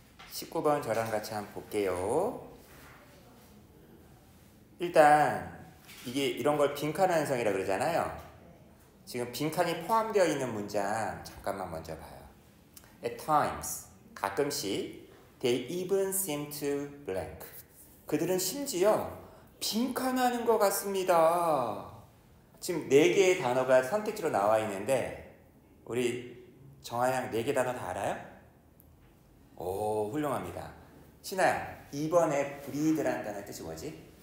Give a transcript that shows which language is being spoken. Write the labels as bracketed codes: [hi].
[ko] 19번 저랑 같이 한번 볼게요. 일단 이게 이런 걸 빈칸완성이라고 그러잖아요. 지금 빈칸이 포함되어 있는 문장 잠깐만 먼저 봐요. [en] At times, [ko] 가끔씩 [en] they even seem to blank. [ko] 그들은 심지어 빈칸하는 것 같습니다. 지금 네 개의 단어가 선택지로 나와 있는데, 우리 정하양 네 개 단어 다 알아요? 오, 훌륭합니다. 신하야, 이번에 breed라는 단어의 뜻이 뭐지?